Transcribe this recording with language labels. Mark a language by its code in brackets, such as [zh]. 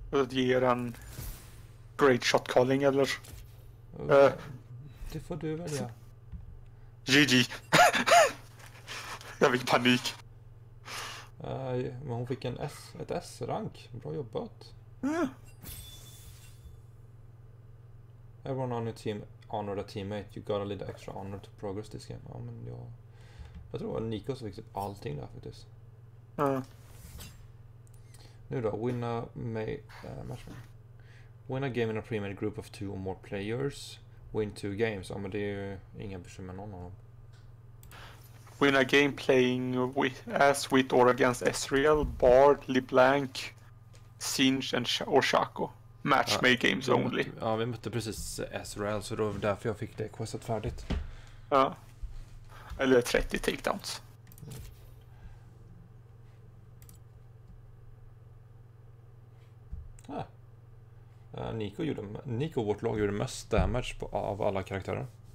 [sv] Ge en [en] great shot calling [sv] eller? Det får du välja. GG. Jag fick panik. Men hon fick en S, ett S-rank. Bra jobbat. [en] Everyone on your team honor a teammate. You got a little extra honor to progress this game. [sv] Ja, men jag tror att Nico fick typ allting där faktiskt. Nu då, [en] win a match. Win a game in a pre-made group of two or more players. Win two games. [sv] Ja, men det är ju inga bekymmer med någon av dem. [en] Win a game playing as with or against Ezreal, Bard, LeBlanc, Singe and Shaco. Match made games only. [sv] Ja, vi mötte precis Ezreal, så då var därför jag fick det questet färdigt. Ja. Eller 30 takedowns. Ja. Nico vårt lag gjorde mest damage på, av alla karaktärer.